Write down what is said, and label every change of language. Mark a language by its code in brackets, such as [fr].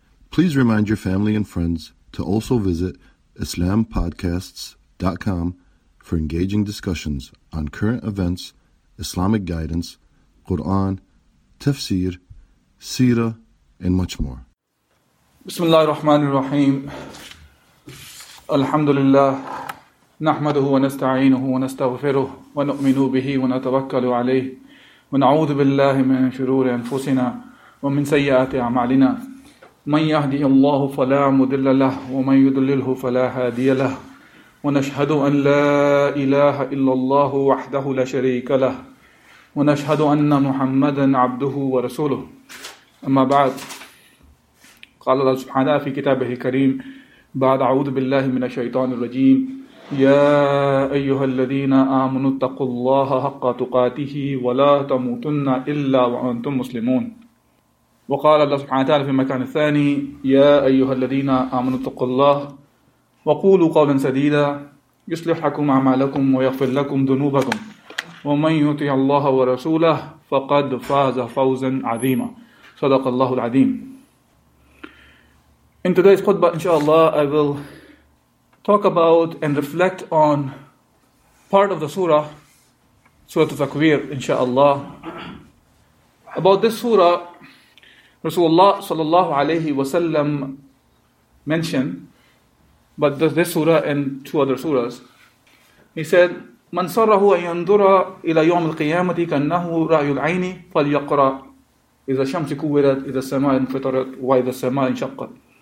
[en] Please remind your family and friends to also visit IslamPodcasts.com for engaging discussions on current events, Islamic guidance, Quran, tafsir, seerah, and much more. [ar] بسم الله الرحمن الرحيم الحمد لله نحمده ونستعينه ونستغفره ونؤمن به ونتوكل عليه ونعوذ بالله من شرور أنفسنا ومن سيئات أعمالنا من يهدي الله فلا مضل له ومن يضلله فلا هادي له ونشهد أن لا إله إلا الله وحده لا شريك له ونشهد أن محمدا عبده ورسوله أما بعد قال الله سبحانه في كتابه الكريم بعد أعوذ بالله من الشيطان الرجيم يا أيها الذين آمنوا اتقوا الله حق تقاته ولا تموتن إلا وأنتم مسلمون وقال الله سبحانه وتعالى في المكان الثاني يا أيها الذين آمنوا اتقوا الله وقولوا قولا سديدا يصلح لكم أعمالكم ويغفر لكم ذنوبكم ومن يطع الله ورسوله فقد فاز فوزا عظيما صدق الله العظيم. [en] In today's khutbah, inshallah, I will talk about and reflect on part of the surah, Surah Al-Takwir, inshallah. About this surah, Rasulullah sallallahu alayhi wa sallam mentioned, but this surah and two other surahs, he said, [ar] مَنْ صَرَّهُ أَنْ يَنْظُرَ إِلَى يَوْمِ الْقِيَامَةِ كَنَّهُ رَأْيُ الْعَيْنِ فَلْيَقْرَى إِذَا الشَّمْسِ كُوِّرَتْ إِذَا السَّمَاءِ انْفَطَرَتْ وَإِذَا السَّمَاءِ انْشَقَّتْ.